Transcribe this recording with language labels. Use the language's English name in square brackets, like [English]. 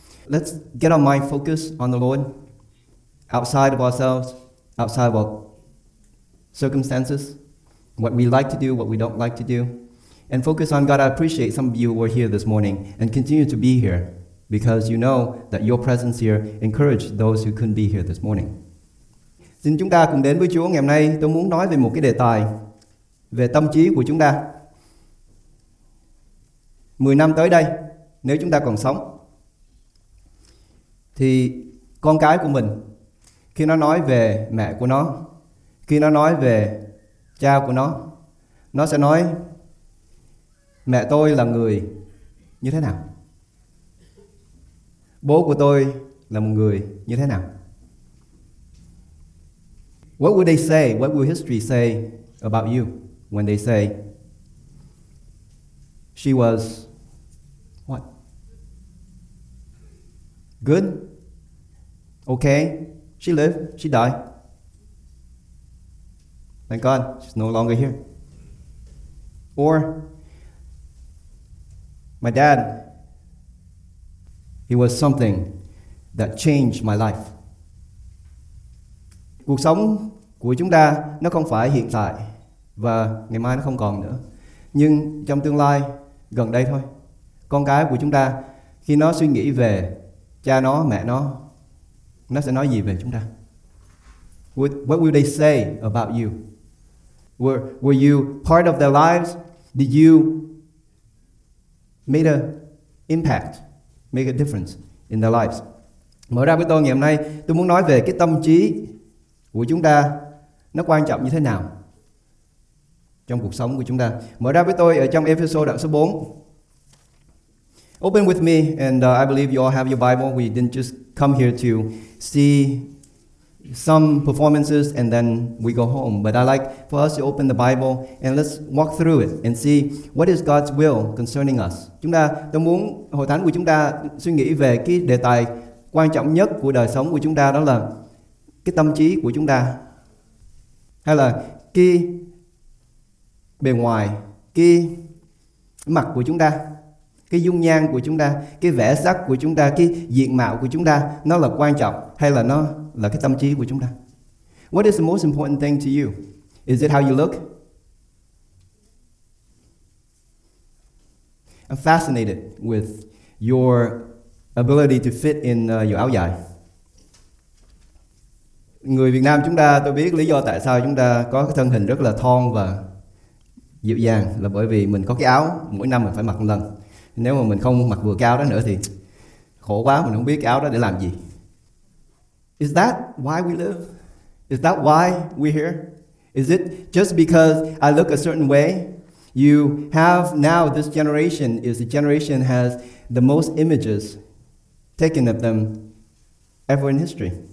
[English] Let's get our mind focused on the Lord, outside of ourselves, outside of our circumstances, what we like to do, what we don't like to do, and focus on God. I appreciate some of you were here this morning and continue to be here because you know that your presence here encouraged those who couldn't be here this morning. [Vietnamese] Xin chúng ta cùng đến với Chúa ngày hôm nay. Tôi muốn nói về một cái đề tài về tâm trí của chúng ta. 10 năm tới đây, nếu chúng ta còn sống, thì con cái của mình, khi nó nói về mẹ của nó, khi nó nói về cha của nó sẽ nói mẹ tôi là người như thế nào? Bố của tôi là một người như thế nào? [English] What would they say? What will history say about you when they say she was what? Good? Okay. She lived. She died. Thank God, she's no longer here. Or my dad, he was something that changed my life. [Vietnamese] Cuộc sống của chúng ta, nó không phải hiện tại và ngày mai nó không còn nữa. Nhưng trong tương lai, gần đây thôi, con cái của chúng ta, khi nó suy nghĩ về cha nó, mẹ nó sẽ nói gì về chúng ta? [English] What will they say about you? Were you part of their lives? Did you make an impact, make a difference in their lives? [Vietnamese] Mở ra với tôi ngày hôm nay, tôi muốn nói về cái tâm trí của chúng ta, nó quan trọng như thế nào trong cuộc sống của chúng ta. Mở ra với tôi ở trong Ê-phê-sô đoạn số 4. [English] Open with me, and I believe you all have your Bible. We didn't just come here to see some performances and then we go home, but I like for us to open the Bible and let's walk through it and see what is God's will concerning us. [Vietnamese] Chúng ta, tôi muốn hội thánh của chúng ta suy nghĩ về cái đề tài quan trọng nhất của đời sống của chúng ta, đó là cái tâm trí của chúng ta, hay là cái bề ngoài, cái mặt của chúng ta, cái dung nhan của chúng ta, cái vẻ sắc của chúng ta, cái diện mạo của chúng ta, nó là quan trọng hay là nó là cái tâm trí của chúng ta? [English] What is the most important thing to you? Is it how you look? I'm fascinated with your ability to fit in your áo dài. [Vietnamese] Người Việt Nam chúng ta, tôi biết lý do tại sao chúng ta có cái thân hình rất là thon và dịu dàng là bởi vì mình có cái áo mỗi năm mình phải mặc một lần. Nếu mà mình không mặc vừa cái áo đó nữa thì khổ quá, mình không biết cái áo đó để làm gì. [English] Is that why we live? Is that why we're here? Is it just because I look a certain way? You have now, this generation is the generation has the most images taken of them ever in history.